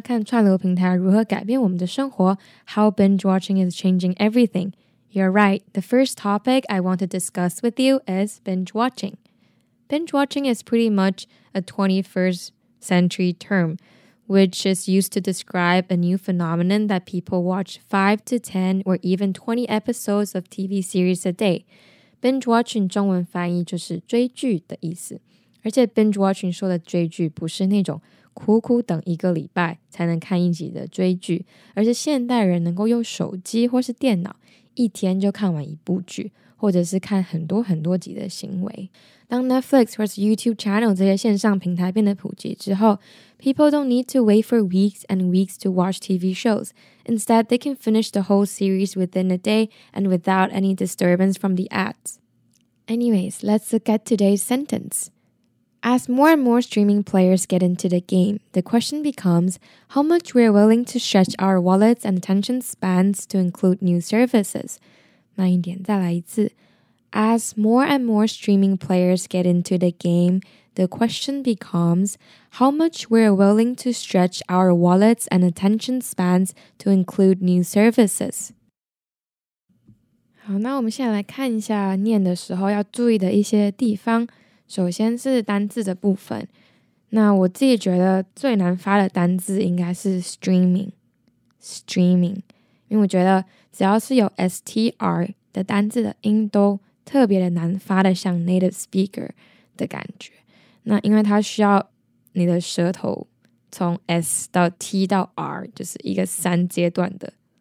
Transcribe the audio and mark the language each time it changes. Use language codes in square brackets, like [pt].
[zh] 看串流平台如何改变我们的生活？ [en] How binge watching is changing everything. You're right. The first topic I want to discuss with you is binge watching. Binge watching is pretty much a 21st century term. Which is used to describe a new phenomenon that people watch 5 to 10 or even 20 episodes of TV series a day. [zh] Binge watching 中文翻译就是追剧的意思。而且 binge watching 说的追剧不是那种苦苦等一个礼拜才能看一集的追剧，而是现代人能够用手机或是电脑一天就看完一部剧，或者是看很多很多集的行为。 [en] 当 Netflix 或是 YouTube channel 这些线上平台变得普及之后， people don't need to wait for weeks and weeks to watch TV shows. Instead, they can finish the whole series within a day and without any disturbance from the ads. Anyways, let's look at today's sentence. As more and more streaming players get into the game, the question becomes how much we're willing to stretch our wallets and attention spans to include new services. [zh] 慢一点，再来一次。 [en] As more and more streaming players get into the game, the question becomes how much we're willing to stretch our wallets and attention spans to include new services. [zh] 好，那我们现在来看一下念的时候要注意的一些地方。首先是单字的部分。那我自己觉得最难发的单字应该是 streaming。Streaming。因为我觉得只要是有 STR 的单字的音都特别的难发的像 native speaker 的感觉，那因为它需要你的舌头从 S 到 T 到 R 就是一个三阶段的